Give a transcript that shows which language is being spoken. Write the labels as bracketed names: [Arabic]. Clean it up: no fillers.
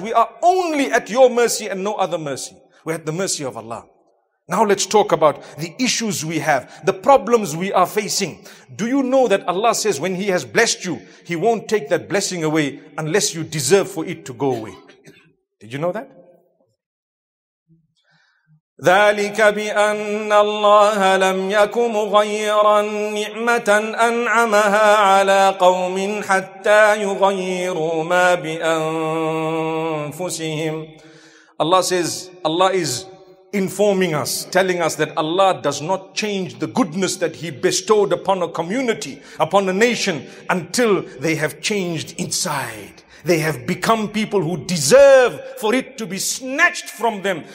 [English] We are only at your mercy and no other mercy. We're at the mercy of Allah. Now let's talk about the issues we have, the problems we are facing. Do you know that Allah says when He has blessed you, He won't take that blessing away unless you deserve for it to go away. Did you know that? [Arabic] ذلك بأن الله لم يك مغيرا نعمة أنعمها على قوم حتى يغيروا ما بأنفسهم. [English] Allah says, Allah is informing us, telling us that Allah does not change the goodness that He bestowed upon a community, upon a nation, until they have changed inside. They have become people who deserve for it to be snatched from them.